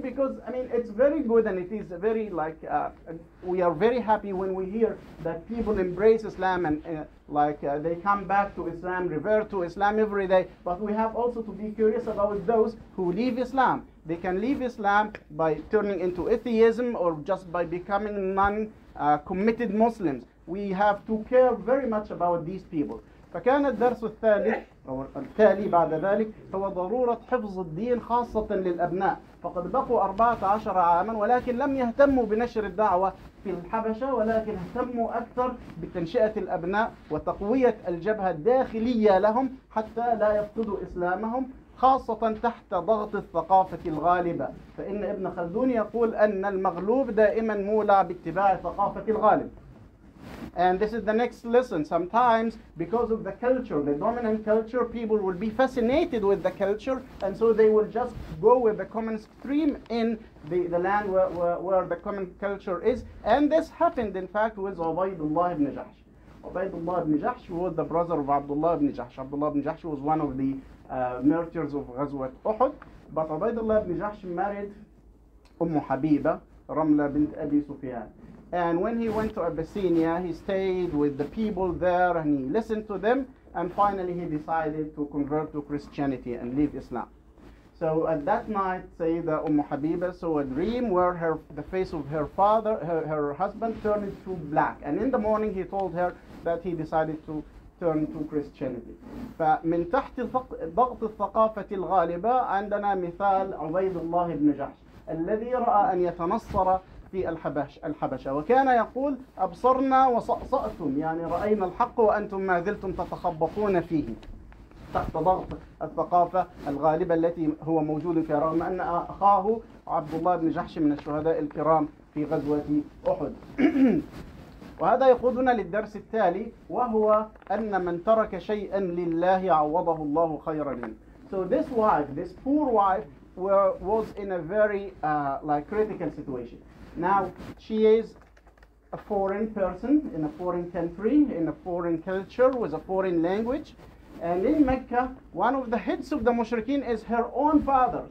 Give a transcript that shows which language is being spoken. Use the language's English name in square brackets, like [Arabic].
[English] Because, I mean, it's very good, and it is very, like, we are very happy when we hear that people embrace Islam and, they come back to Islam, revert to Islam every day. But we have also to be curious about those who leave Islam. They can leave Islam by turning into atheism or just by becoming non-committed Muslims. We have to care very much about these people. [Arabic] فكان الدرس الثالث أو التالي بعد ذلك هو ضرورة حفظ الدين خاصة للأبناء. فقد بقوا 14 عاما ولكن لم يهتموا بنشر الدعوة في الحبشة، ولكن اهتموا أكثر بتنشئة الأبناء وتقوية الجبهة الداخلية لهم حتى لا يفقدوا إسلامهم، خاصة تحت ضغط الثقافة الغالبة. فإن ابن خلدون يقول أن المغلوب دائما مولع باتباع ثقافة الغالب. [English] And this is the next lesson. Sometimes, because of the culture, the dominant culture, people will be fascinated with the culture, and so they will just go with the common stream in the land where the common culture is. And this happened, in fact, with Ubaydullah ibn Jahsh. Ubaydullah ibn Jahsh was the brother of Abdullah ibn Jahsh. Abdullah ibn Jahsh was one of the martyrs of Ghazwat Uhud. But Ubaydullah ibn Jahsh married Ummu Habiba, Ramla bint Abi Sufyan. And when he went to Abyssinia, he stayed with the people there and he listened to them. And finally, he decided to convert to Christianity and leave Islam. So at that night, Sayyida Ummu Habiba saw a dream where the face of her father, her husband, turned to black. And in the morning, he told her that he decided to turn to Christianity. [Arabic] فمن تحت ضغط الثقافة الغالبة عندنا مثال عبيد الله بن جحش الذي رأى أن يتنصر في الحبشة وكان يقول أبصرنا وصأصأتم يعني رأينا الحق وأنتم ما زلتم تتخبطون فيه تحت ضغط الثقافة الغالبة التي هو موجود فيها رغم أن أخاه عبد الله بن جحش من الشهداء الكرام في غزوة أحد. وهذا يقودنا للدرس التالي وهو أن من ترك شيئا لله عوضه الله خيرا منه. [English] So this wife, this poor wife was in a very critical situation. Now, she is a foreign person in a foreign country, in a foreign culture, with a foreign language. And in Mecca, one of the heads of the mushrikeen is her own father.